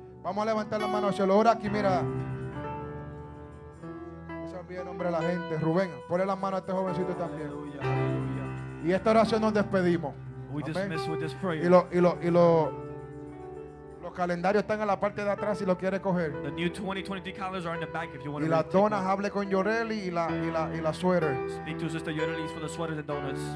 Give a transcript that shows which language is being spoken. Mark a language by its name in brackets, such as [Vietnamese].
[Spanish] Vamos a levantar la mano hacia el oro aquí, mira. Bien, nombre de la gente, Rubén, ponle las manos a este jovencito también. Aleluya, aleluya. Y esta oración nos despedimos. Los calendarios están en la parte de atrás si lo quiere coger. [English] The new 2022 calendars are in the back if you want to. [Spanish] Y las donas, hable con Yoreli y la sweater. [English] Speak to Sister Yoreli for the sweaters and donuts.